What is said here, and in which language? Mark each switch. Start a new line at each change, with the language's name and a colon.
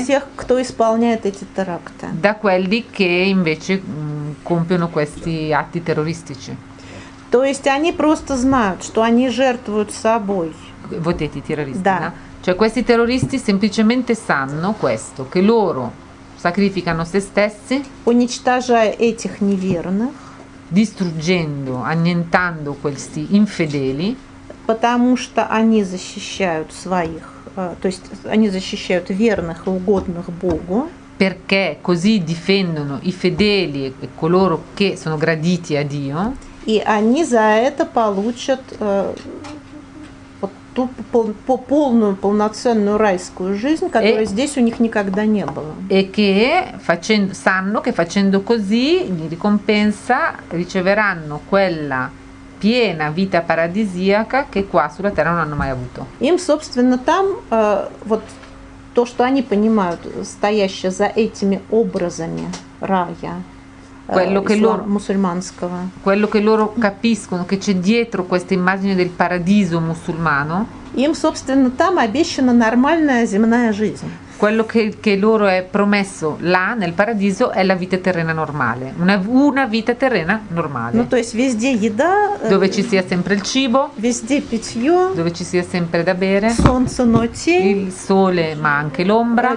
Russian: и тех, кто исполняет эти теракты.
Italian: Da quelli che invece compiono questi atti terroristici.
Russian: То есть они просто знают, что они жертвуют собой. Вот эти террористы, да. Да?
Italian: Cioè questi terroristi semplicemente sanno questo, che loro sacrificano se stessi,
Russian: уничтожая этих неверных,
Italian: distruggendo, annientando questi infedeli.
Russian: Потому что они защищают своих, то есть они защищают верных и угодных Богу.
Italian: Perché così difendono i fedeli e coloro che sono graditi a Dio.
Russian: И они за это получат вот ту полную полноценную райскую жизнь, которая здесь у них никогда не было.
Italian: E che facendo sanno che facendo così in ricompensa riceveranno quella piena vita paradisiaca che qua sulla terra non hanno mai avuto.
Russian: Им собственно там вот то, что они понимают, стоящее за этими образами рая.
Italian: Quello che loro musulmanского. Quello che loro capiscono che c'è dietro questa immagine del paradiso musulmano.
Russian: Им собственно там обещана нормальная земная жизнь.
Italian: Quello che loro è promesso là nel paradiso è la vita terrena normale, una vita terrena normale.
Russian: Ну то есть везде еда,
Italian: dove ci sia sempre il cibo,
Russian: везде питьё,
Italian: dove ci sia sempre da bere,
Russian: солнце, но тень,
Italian: il sole ma anche l'ombra,